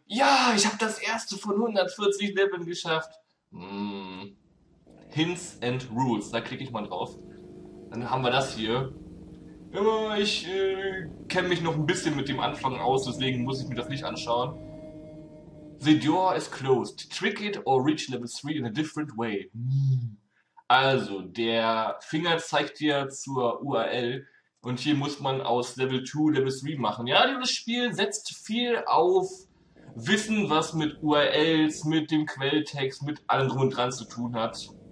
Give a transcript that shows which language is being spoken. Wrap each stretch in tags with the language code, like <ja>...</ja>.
<de>Ja, ich habe das erste von 140 Leveln geschafft. Hints and Rules. Da klicke ich mal drauf. Dann haben wir das hier. Ja, ich kenne mich noch ein bisschen mit dem Anfang aus, deswegen muss ich mir das nicht anschauen.</de> <en>The door is closed. Trick it or reach level 3 in a different way.</en> <de>Also, der Finger zeigt dir zur URL und hier muss man aus Level 2 Level 3 machen. Ja, dieses Spiel setzt viel auf Wissen, was mit URLs, mit dem Quelltext, mit allem drum und dran zu tun hat.</de>